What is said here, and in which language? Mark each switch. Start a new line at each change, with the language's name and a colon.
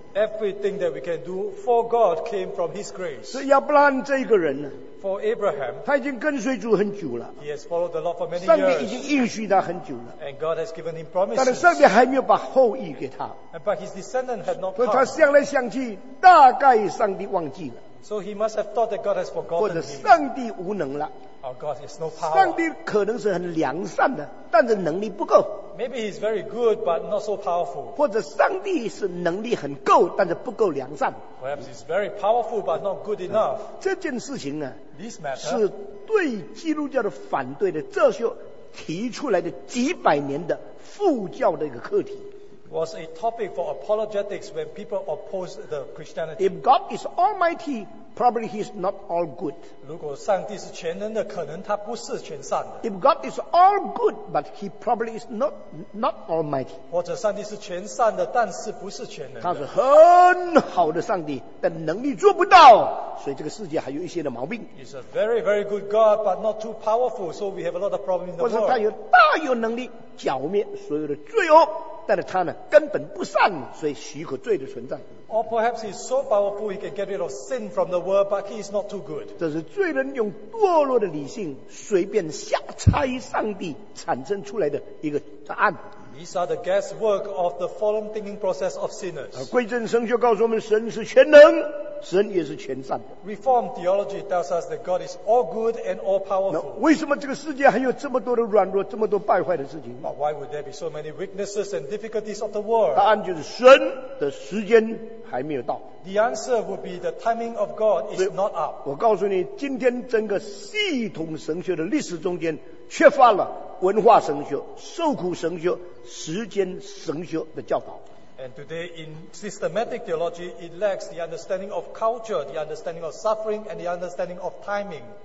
English: Everything that we can do for God came from His grace.
Chinese: 所以亚伯拉罕这个人呢？
English: For Abraham,
Chinese: 他已经跟随主很久了。
English: He has followed the Lord for many years.
Chinese: 上帝已经应许他很久了。
English: And God has given him promises.
Chinese: 但是上帝还没有把后裔给他。
English: But his descendant had not come.
Chinese: 所以他想来想去，大概上帝忘记了。
English: So he must have thought that God has forgotten him.
Chinese: 或者上帝无能了。
English: Or God has no power.
Chinese: 上帝可能是很良善的，但是能力不够。
English: Maybe he's very good, but not so powerful.
Chinese: 或者上帝是能力很够，但是不够良善。
English: Perhaps he's very powerful, but not good enough.
Chinese: 这件事情呢？
English: This matter,
Chinese: 是对基督教的反对的哲学提出来的几百年的副教的一个课题。
English: Was a topic for apologetics when people opposed the Christianity. If God is Almighty, probably He is not all good.
Chinese: 如果上帝是全能的，可能他不是全善的。
English: If God is all good, but He probably is not Almighty.
Chinese: 或者上帝是全善的，但是不是全能的。他是很好的上帝，但能力做不到，所以这个世界还有一些的毛病。
English: He's a very very good God, but not too powerful, so we have a lot of problems in the world.
Chinese: 或者他有大有能力剿灭所有的罪恶。但是他呢根本不善，所以许可罪的存在。
English: Or perhaps he's so powerful he can get rid of sin from the world, but he is not too good.
Chinese: 这是罪人用堕落的理性随便瞎猜上帝产生出来的一个答案。
English: These are the guesswork of the fallen thinking process of sinners.
Chinese: 归正神学告诉我们神是全能, 神也是全善的。
English: Reformed theology tells us that God is all good and all powerful.
Chinese: 那为什么这个世界还有这么多的软弱, 这么多败坏的事情?
English: But why would there be so many weaknesses and difficulties of the world?
Chinese: 答案就是神的时间还没有到。
English: The answer would be the timing of God is not up.
Chinese: 我告诉你, 今天整个系统神学的历史中间, 缺乏了文化神学、受苦神学、时间神学的教导。
English: And today in systematic theology, it lacks the understanding of culture, the understanding of suffering, and the understanding of timing.